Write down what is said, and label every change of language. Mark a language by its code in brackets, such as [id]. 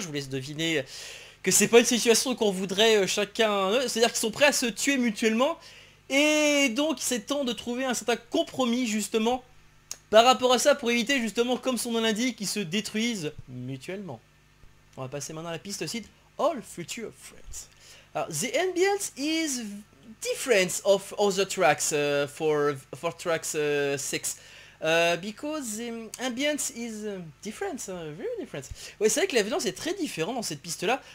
[fr] Je vous laisse deviner que c'est pas une situation qu'on voudrait chacun. C'est-à-dire qu'ils sont prêts à se tuer mutuellement. Et donc, c'est temps de trouver un certain compromis, justement, par rapport à ça, pour éviter, justement, comme son nom l'indique, qu'ils se détruisent mutuellement. On va passer maintenant à la piste site All Future Friends. [en] Alors, the ambience is different of other tracks for tracks 6. Because the ambience is different, very different. [fr] Oui, c'est vrai que l'ambiance est très différente dans cette piste-là.